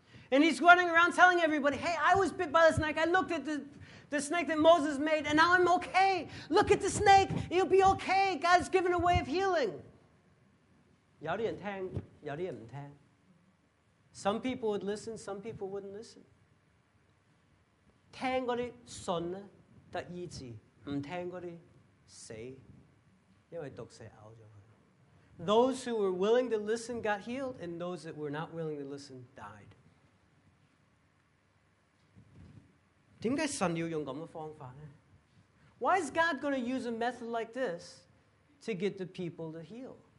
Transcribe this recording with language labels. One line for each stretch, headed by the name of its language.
English: And he's running around telling everybody, "Hey, I was bit by the snake. I looked at the snake that Moses made, and now I'm okay. Look at the snake; you'll be okay. God's given a way of healing."
Cantonese: 有啲人听，有啲人唔听。
English: Some people would listen, some people wouldn't listen.
Cantonese: 听嗰啲信咧得医治，唔听嗰啲死，因为毒蛇咬咗。
English: Those who were willing to listen got healed, and those that were not willing to listen died.
Cantonese: 点解神要用咁嘅方法呢？
English: Why is God going to use a method like this to get the people to heal?